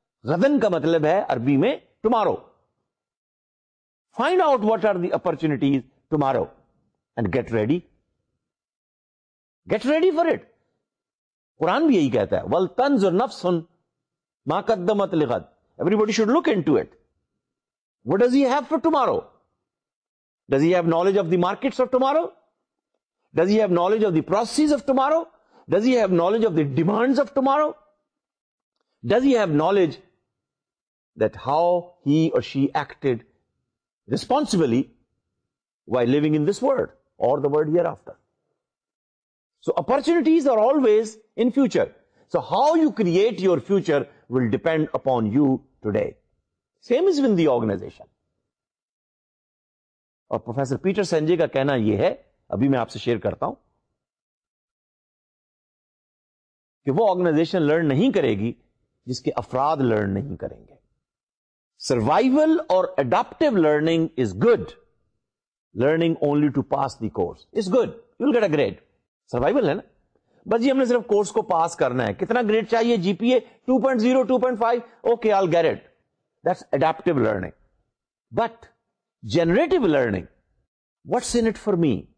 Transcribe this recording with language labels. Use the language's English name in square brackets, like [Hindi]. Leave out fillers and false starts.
[Urdu] غدن کا مطلب ہے عربی میں [English] Tomorrow. Find out what are the opportunities tomorrow and get ready, get ready for it. [Urdu] قرآن بھی یہی کہتا ہے [Arabic] ولتنظر نفس ما قدمت لغد، [English] Everybody should look into it. What does he have for tomorrow? Does he have knowledge of the markets of tomorrow? Does he have knowledge of the processes of tomorrow? Does he have knowledge of the demands of tomorrow? Does he have knowledge that how he or she acted responsibly while living in this world or the world hereafter? So opportunities are always in future. So how you create your future will depend upon you today. Same is in the organization. [Urdu] اور professor Peter Sanjay کا کہنا یہ ہے، ابھی میں آپ سے share کرتا ہوں، کہ وہ آرگنائزیشن لرن نہیں کرے گی جس کے افراد لرن نہیں کریں گے. [English] Survival اور adaptive learning is good, learning only to pass the course is good, you will get A grade. [Urdu] Survival ہے نا بس، یہ ہم نے صرف کورس کو پاس کرنا ہے. کتنا گریڈ چاہیے؟ جی پی اے 2.0 2.5 [English] Okay I will get it. That's adaptive learning. But generative learning, what's in it for me?